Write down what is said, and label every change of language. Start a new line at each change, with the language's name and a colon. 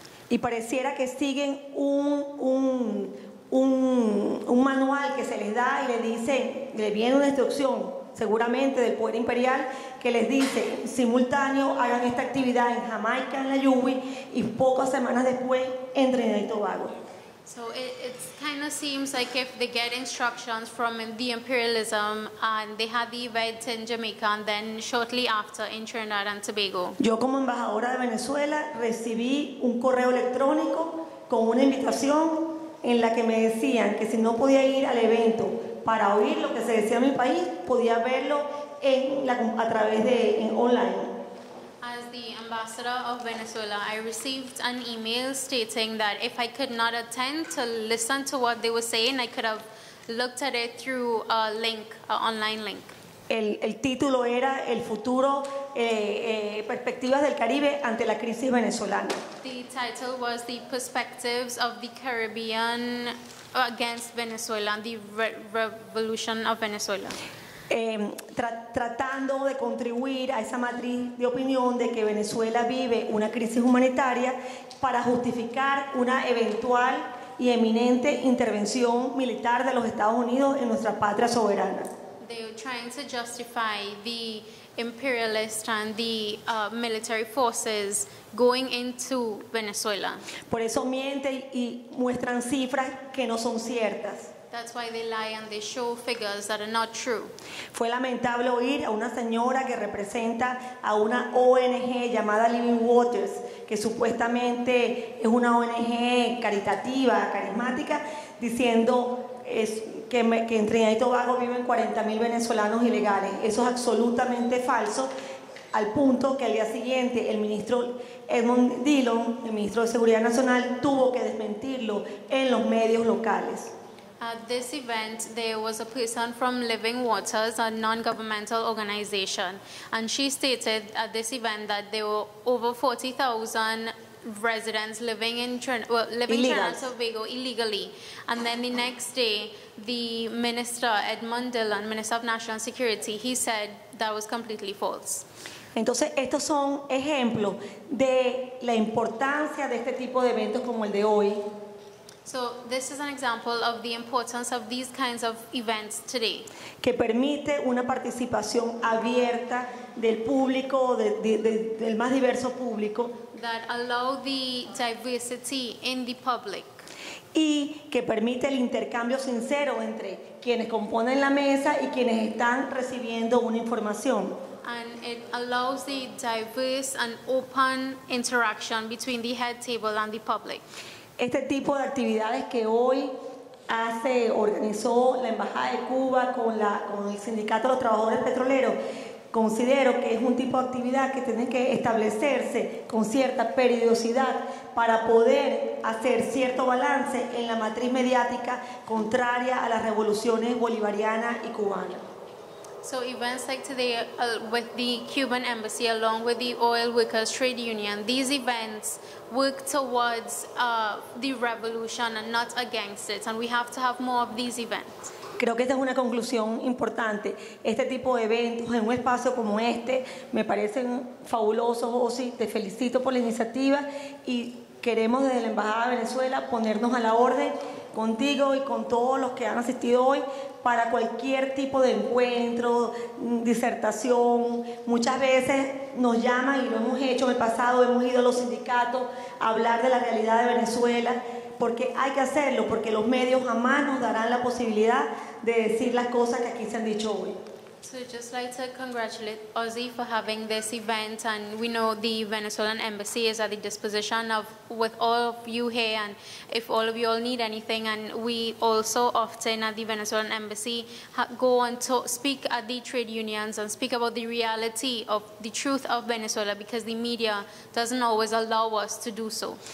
Spanish: Y pareciera que siguen un manual que se les da y le dicen, le viene una instrucción seguramente del poder imperial que les dice simultáneo hagan esta actividad en Jamaica en la Yubi y pocas semanas después en Trinidad y Tobago.
English: So it kind of seems like if they get instructions from the imperialism and they had the event in Jamaica and then shortly after in Trinidad and Tobago.
Spanish: Yo como embajadora de Venezuela recibí un correo electrónico con una invitación en la que me decían que si no podía ir al evento para oír lo que se decía en mi país, podía verlo en la, a través de en online.
English: As the ambassador of Venezuela, I received an email stating that if I could not attend to listen to what they were saying, I could have looked at it through a link, an online link.
Spanish: El título era El futuro, perspectivas del Caribe ante la crisis venezolana.
English: The title was The Perspectives of the Caribbean against Venezuela, the revolution of Venezuela.
Spanish: Tratando de contribuir a esa matriz de opinión de que Venezuela vive una crisis humanitaria para justificar una eventual y eminente intervención militar de los Estados Unidos en nuestra patria soberana.
English: They were trying to justify the imperialist and the military forces going into Venezuela.
Spanish: Por eso mienten y muestran cifras que no son ciertas.
English: That's why they lie and they show figures that are not true.
Spanish: Fue lamentable oír a una señora que representa a una ONG llamada Living Waters, que supuestamente es una ONG caritativa, carismática, diciendo es que en Trinidad y Tobago viven 40,000 venezolanos ilegales. Eso es absolutamente falso, al punto que al día siguiente el ministro Edmond Dillon, el ministro de Seguridad Nacional, tuvo que desmentirlo en los medios locales.
English: At this event, there was a person from Living Waters, a non-governmental organization, and she stated at this event that there were over 40,000 residents living in Trinidad and Tobago illegally. And then the next day, the minister, Edmond Dillon, Minister of National Security, he said that was completely false.
Spanish: Entonces, estos son ejemplos de la importancia de este tipo de eventos como el de hoy.
English: So this is an example of the importance of these kinds of events today.
Spanish: Que permite una participación abierta del público, del más diverso público.
English: That allow the diversity in the public.
Spanish: Y que permite el intercambio sincero entre quienes componen la mesa y quienes están recibiendo una información.
English: And it allows the diverse and open interaction between the head table and the public.
Spanish: Este tipo de actividades que hoy organizó la Embajada de Cuba con el Sindicato de los Trabajadores Petroleros, considero que es un tipo de actividad que tiene que establecerse con cierta periodicidad para poder hacer cierto balance en la matriz mediática contraria a las revoluciones bolivarianas y cubanas.
English: So events like today with the Cuban Embassy along with the Oil Workers Trade Union, these events work towards the revolution and not against it. And we have to have more of these events.
Spanish: creo que esta es una conclusión importante. Este tipo de eventos en un espacio como este me parecen fabulosos, Osi. Te felicito por la iniciativa y queremos desde la Embajada de Venezuela ponernos a la orden contigo y con todos los que han asistido hoy para cualquier tipo de encuentro, disertación. Muchas veces nos llaman y lo hemos hecho en el pasado, hemos ido a los sindicatos a hablar de la realidad de Venezuela, porque hay que hacerlo, porque los medios jamás nos darán la posibilidad de decir las cosas que aquí se han dicho hoy.
English: So just like to congratulate Ozzy for having this event, and we know the Venezuelan embassy is at the disposition of with all of you here, and if all of you all need anything, and we also often at the Venezuelan embassy go and talk, speak at the trade unions and speak about the reality of the truth of Venezuela, because the media doesn't always allow us to do so.